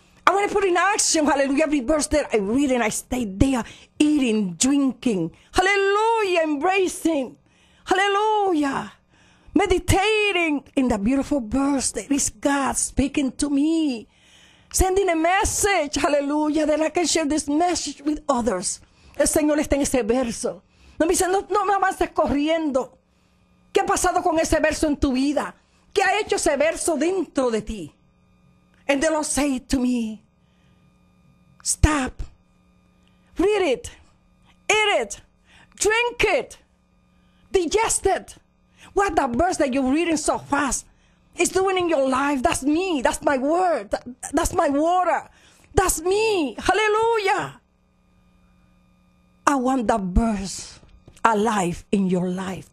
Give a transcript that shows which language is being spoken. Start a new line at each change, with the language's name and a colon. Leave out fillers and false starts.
English: I want to put in action, hallelujah, every verse that I read and I stay there eating, drinking, hallelujah, embracing, hallelujah, meditating in the beautiful verse that is God speaking to me, sending a message, hallelujah, that I can share this message with others.
Spanish: El Señor está en ese verso. No me dice, no me avances corriendo. ¿Qué ha pasado con ese verso en tu vida? ¿Qué ha hecho ese verso dentro de ti?
English: And the Lord say to me, stop, read it, eat it, drink it, digest it. What that verse that you're reading so fast is doing in your life, that's me, that's my word, that's my water, that's me, hallelujah. I want that verse alive in your life.